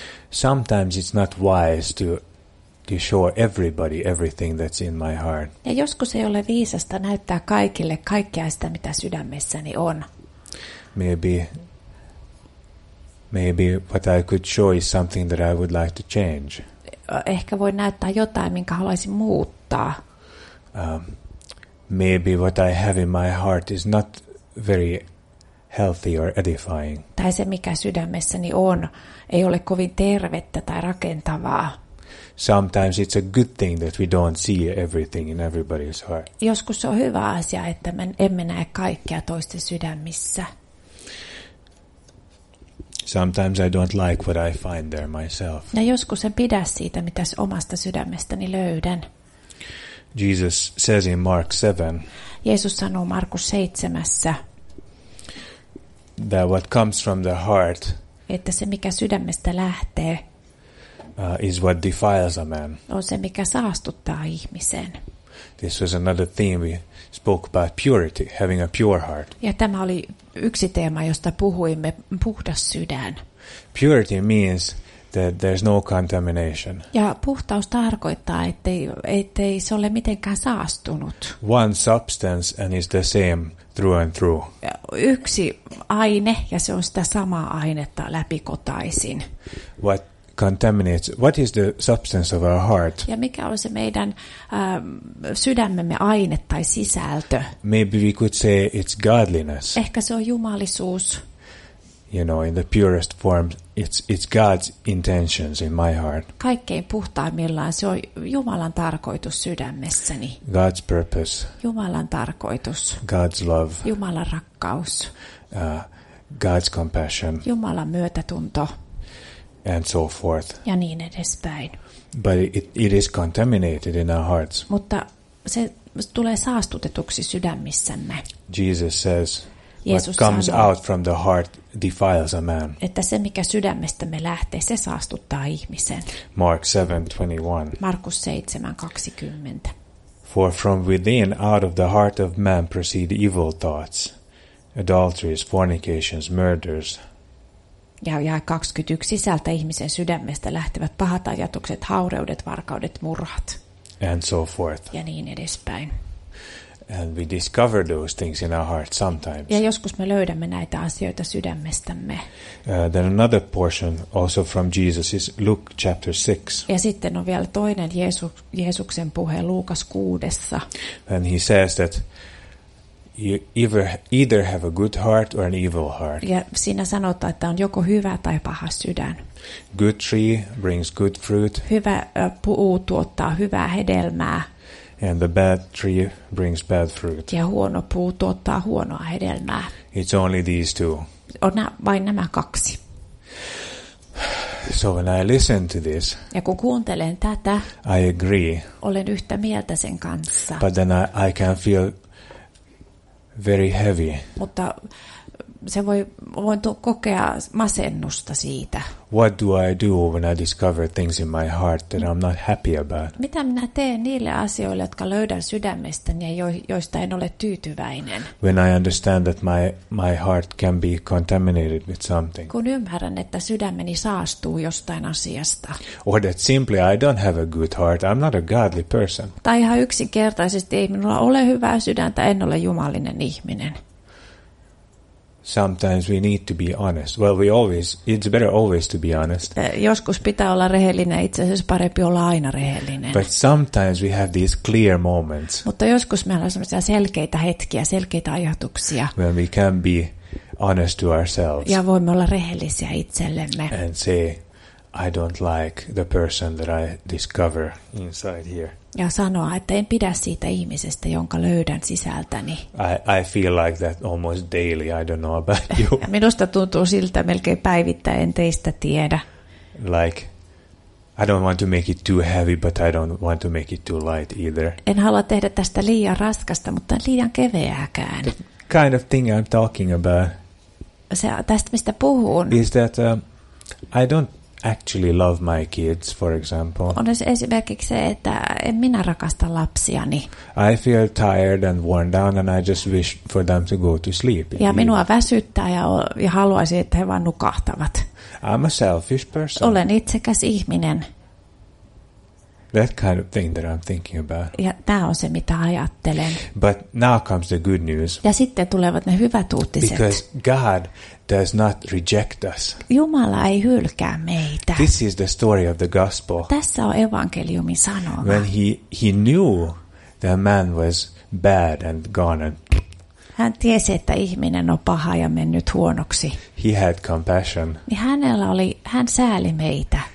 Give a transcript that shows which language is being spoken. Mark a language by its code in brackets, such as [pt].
[en] Sometimes it's not wise to show everybody everything that's in my heart. [fi] Ja joskus ei ole viisasta näyttää kaikille kaikkea sitä, mitä sydämessäni on. [en] Maybe what I could show is something that I would like to change. [fi] Ehkä voi näyttää jotain, minkä haluaisin muuttaa. [en] Maybe what I have in my heart is not very healthy or edifying. [fi] Tai se, mikä sydämessäni on, ei ole kovin tervettä tai rakentavaa. [en] Sometimes it's a good thing that we don't see everything in everybody's heart. [fi] Joskus se on hyvä asia, että me emme näe kaikkea toisten sydämissä. [en] Sometimes I don't like what I find there myself. [fi] Ja joskus en pidä siitä, mitä omasta sydämestäni löydän. [en] Jesus says in Mark 7. [fi] Jeesus sanoo Markus 7:ssä. [en] That what comes from the heart. [fi] Että se mikä sydämestä lähtee. [en] Is what defiles a man. [fi] On se, mikä saastuttaa ihmisen. [en] This was another theme we spoke about, purity, having a pure heart. [fi] Ja tämä oli yksi teema, josta puhuimme, puhdas sydän. [en] Purity means that there's no contamination. [fi] Ja puhtaus tarkoittaa, ettei se ole mitenkään saastunut. [en] One substance and is the same through and through. [fi] Yksi aine ja se on sitä samaa ainetta läpikotaisin. [en] What contaminates, what is the substance of our heart? [fi] Ja mikä on se meidän sydämemme aine tai sisältö? [en] Maybe we could say it's godliness. [fi] Ehkä se on jumalisuus. [en] You know, in the purest form, it's God's intentions in my heart. [fi] Kaikkein puhtaimmillaan se on Jumalan tarkoitus sydämessäni. [en] God's purpose. [fi] Jumalan tarkoitus. [en] God's love. [fi] Jumalan rakkaus. [en] God's compassion. [fi] Jumalan myötätunto. [en] And so forth. [fi] Ja niin edespäin. [en] But it is contaminated in our hearts. [fi] Mutta se tulee saastutetuksi sydämissämme. [en] Jesus says, what comes out from the heart defiles a man. [fi] Että se mikä sydämestämme lähtee, se saastuttaa ihmisen. [en] Mark 7:21. [fi] Markus 7:20. [en] For from within, out of the heart of man, proceed evil thoughts, adulteries, fornications, murders. [fi] Ja 21. Sisältä ihmisen sydämestä lähtevät pahat ajatukset, haureudet, varkaudet, murhat. [en] And so forth. [fi] Ja niin edespäin. [en] And we discover those things in our heart sometimes. [fi] Ja joskus me löydämme näitä asioita sydämestämme. [en] Then another portion also from Jesus is Luke 6. [fi] Ja sitten on vielä toinen Jeesuksen puhe Luukas 6. [en] And he says that you either have a good heart or an evil heart. [fi] Ja siinä sanotaan, että on joko hyvä tai paha sydän. [en] Good tree brings good fruit. [fi] Hyvä puu tuottaa hyvää hedelmää. [en] And the bad tree brings bad fruit. [fi] Ja huono puu tuottaa huonoa hedelmää. [en] It's only these two. [fi] On vain nämä kaksi. [en] So when I listen to this, [fi] ja kun kuuntelen tätä, [en] I agree. [fi] Olen yhtä mieltä sen kanssa. [en] But then I can feel very heavy. [fi] Mutta se voin kokea masennusta siitä. [en] What do I do when I discover things in my heart that I'm not happy about? [fi] Mitä minä teen niille asioille, jotka löydän sydämestäni ja joista en ole tyytyväinen? [en] When I understand that my heart can be contaminated with something. [fi] Kun ymmärrän, että sydämeni saastuu jostain asiasta. [en] Or that simply I don't have a good heart, I'm not a godly person. [fi] Tai ihan yksinkertaisesti ei minulla ole hyvää sydäntä, en ole jumalinen ihminen. [en] Sometimes we need to be honest. Well, it's better always to be honest. [fi] Joskus pitää olla rehellinen, itse asiassa parempi olla aina rehellinen. [en] But sometimes we have these clear moments. [fi] Mutta joskus meillä on sellaisia selkeitä hetkiä, selkeitä ajatuksia. [en] When we can be honest to ourselves. [fi] Ja voimme olla rehellisiä itsellemme. [en] And say, I don't like the person that I discover inside here. [fi] Ja sanoa, että en pidä siitä ihmisestä, jonka löydän sisältäni. [en] I feel like that almost daily, I don't know about you. [fi] Ja minusta tuntuu siltä melkein päivittäin, en teistä tiedä. [en] Like, I don't want to make it too heavy, but I don't want to make it too light either. [fi] En halua tehdä tästä liian raskasta, mutta liian keveääkään. [en] The kind of thing I'm talking about. [fi] Se, tästä mistä puhun. [en] Is that I don't actually love my kids, for example. [fi] On esimerkiksi se, että en minä rakasta lapsiani. [en] I feel tired and worn down and I just wish for them to go to sleep. [fi] Ja minua väsyttää ja haluaisin, että he vaan nukahtavat. [en] I'm a selfish person. [fi] Olen itsekäs ihminen. [en] That kind of thing that I'm thinking about. [fi] Ja tämä on se, mitä ajattelen. [en] But now comes the good news. [fi] Ja sitten tulevat ne hyvät uutiset. [en] Because God does not reject us. [fi] Jumala ei hylkää meitä. [en] This is the story of the gospel. [fi] Tässä on evankeliumin sanoma. [en] When he knew that man was bad and gone and [fi] hän tiesi, että ihminen on paha ja mennyt huonoksi. [en] He had compassion. [fi] Niin hänellä oli, hän sääli meitä.